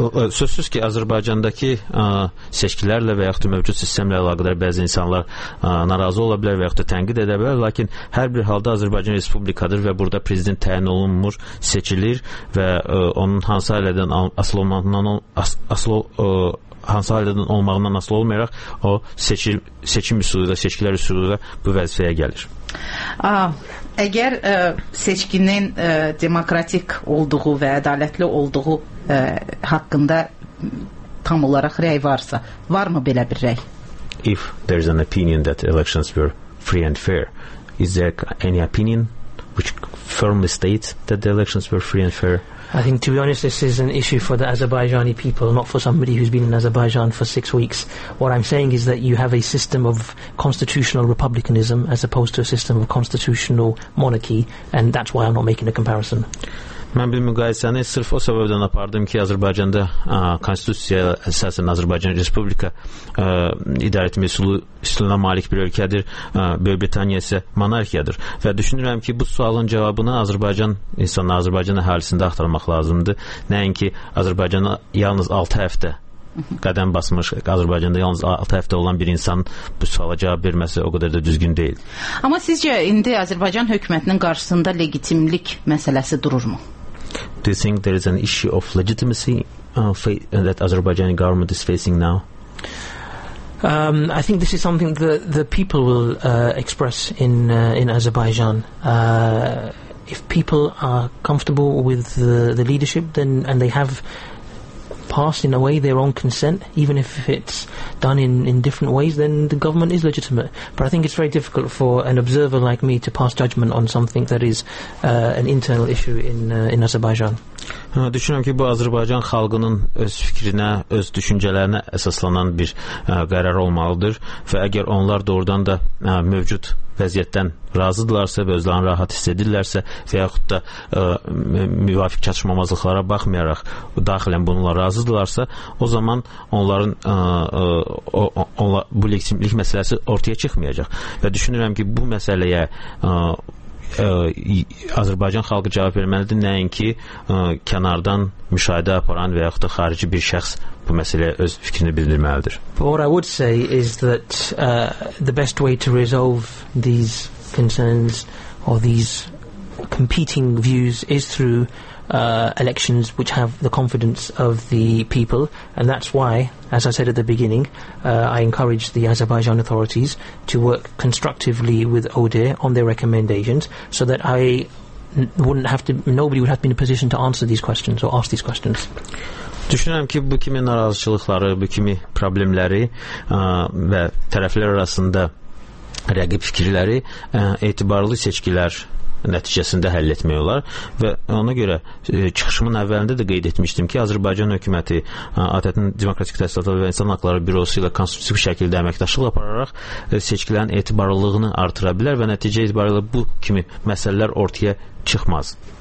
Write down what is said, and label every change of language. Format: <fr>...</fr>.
<az>Sözsüz ki, Azərbaycandakı seçkilərlə və yaxud da mövcud sistemlə əlaqədar bəzi insanlar narazı ola bilər və yaxud da tənqid edə bilər, lakin hər bir halda Azərbaycan Respublikadır və burada prezident təyin olunmur, seçilir və onun hansı ailədən asılı olmağından asılı olmayaraq o seçim üsulu ilə, seçkilər üsulu ilə bu vəzifəyə gəlir. Əgər seçkinin demokratik olduğu və ədalətli olduğu haqqında tam olaraq rəy varsa, varmı belə bir rəy?</az> <en>If there is an opinion that elections were free and fair, is there any opinion which firmly states that the elections were free and fair? I think, to be honest, this is an issue for the Azerbaijani people, not for somebody who's been in Azerbaijan for 6 weeks. What I'm saying is that you have a system of constitutional republicanism as opposed to a system of constitutional monarchy, and that's why I'm not making a comparison.</en> <az>Mən bir müqayisəni sırf o səbəbdən apardım ki, Azərbaycanda konstitusiya əsasən Azərbaycan Respublika idarə etmə üsuluna malik bir ölkədir, Böyük Britaniya isə monarxiyadır. Və düşünürəm ki, bu sualın cavabını Azərbaycan insanı, Azərbaycan əhalisində axtarmaq lazımdır. Nəinki Azərbaycana yalnız 6 həftə qədəm basmış Azərbaycanda yalnız 6 həftə olan bir insan bu suala cavab verməsi o qədər də düzgün deyil. Amma sizcə indi Azərbaycan hökumətinin qarşısında legitimlik məsələsi dururmu?</az> <en>Do you think there is an issue of legitimacy that Azerbaijani government is facing now? I think this is something that the people will express in Azerbaijan. If people are comfortable with the leadership, then and they have passed in a way their own consent, even if it's done in different ways, then the government is legitimate. But I think it's very difficult for an observer like me to pass judgment on something that is an internal issue in Azerbaijan.</en> <az>Düşünürəm ki, bu Azərbaycan xalqının öz fikrinə, öz düşüncələrinə əsaslanan bir qərar olmalıdır və əgər onlar doğrudan da mövcud vəziyyətdən razıdırlarsa və özlərini rahat hiss edirlərsə və yaxud da müvafiq çatışmamazlıqlara baxmayaraq daxilən bununla razıdırlarsa, o zaman onların bu legitimlik məsələsi ortaya çıxmayacaq və düşünürəm ki, bu məsələyə Azərbaycan xalqı cavab verməlidir, nəinki kənardan müşahidə aparan və yaxud da xarici bir şəxs bu məsələyə öz fikrini bildirməlidir.</az> <en>But what I would say is that the best way to resolve these concerns or these competing views is through elections which have the confidence of the people, and that's why, as I said at the beginning, I encourage the Azerbaijan authorities to work constructively with ODIHR on their recommendations, so that nobody would have been in a position to answer these questions or ask these questions.</en> <az>Düşünürəm ki, bu kimi narazıçılıqları, bu kimi problemləri və tərəflər arasında rəqib fikirləri etibarlı seçkilər nəticəsində həll etmək olar və ona görə çıxışımın əvvəlində də qeyd etmişdim ki, Azərbaycan hökuməti ATƏT-in Demokratik Təşkilatlar və İnsan Haqları Bürosu ilə konstitutiv şəkildə əməkdaşlıq apararaq seçkilərin etibarlılığını artıra bilər və nəticə etibarilə bu kimi məsələlər ortaya çıxmaz.</az>